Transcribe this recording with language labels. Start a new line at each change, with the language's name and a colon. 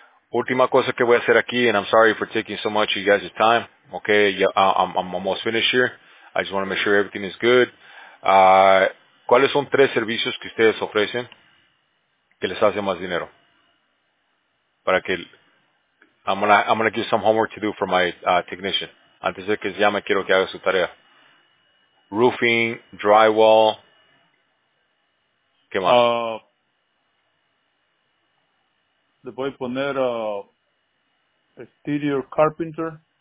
Spanish: Última cosa que voy a hacer aquí,
English: and I'm sorry for taking so much of you guys' time, okay? Yeah, I'm almost finished here. I just want to make sure everything is good.
Spanish: ¿Cuáles son tres servicios que ustedes ofrecen que les hacen más dinero? Para que...
English: I'm gonna give some homework to do for my technician.
Spanish: Antes de que se llame, quiero que haga su tarea. Roofing, drywall, ¿qué más? Le voy a poner exterior carpenter.